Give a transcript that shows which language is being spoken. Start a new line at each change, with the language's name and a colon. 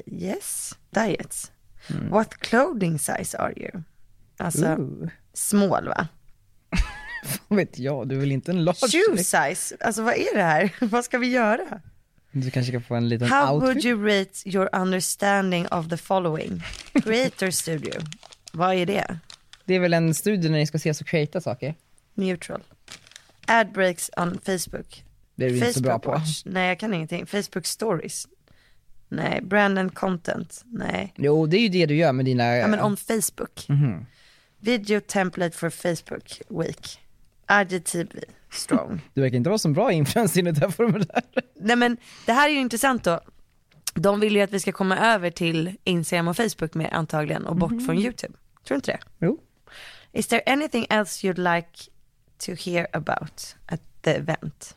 English: Yes. Diets. Mm. What clothing size are you?
Swedish: Alltså, small, va? Vad vet jag? Du vill inte en large. Shoe size. Alltså, vad är det här? Vad ska vi göra? Du kanske kan få en liten
English: How outfit. How would you rate your understanding of the following?
Swedish: Creator studio. Vad är det? Det är väl en studio när ni ska se så creata saker.
English: Neutral. Ad breaks on Facebook.
Swedish: Det är du
English: Facebook
Swedish: inte så bra
English: watch.
Swedish: På. Nej, jag kan ingenting. Facebook stories. Nej,
English: brand and content.
Swedish: Nej. Jo, det är ju det du gör med dina... Ja, men
English: on Facebook. Mm-hmm. Video template for Facebook week. IGTV strong.
Swedish: Du verkar inte vara så bra influencer i det här formuläret. Nej, men det här är ju intressant då. De vill ju att vi ska komma över till Instagram och Facebook mer antagligen och bort från YouTube. Tror du inte det? Jo.
English: Is there anything else you'd like to hear about at the event?